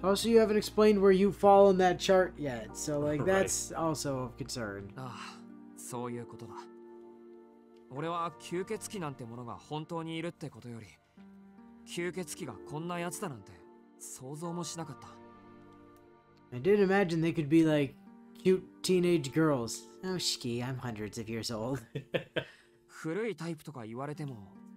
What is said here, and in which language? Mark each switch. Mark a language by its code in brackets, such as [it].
[en] Also, you haven't explained where you fall in that chart yet, so like that's also of concern. [ja] そういうことだ。俺は吸血鬼なんてものが本当にいるってことより、吸血鬼がこんなやつだなんて想像もしなかった。 [en] I didn't imagine they could be like cute teenage girls. Oh, Shiki, I'm hundreds of years old. [ja] 古いタイプとか言われても。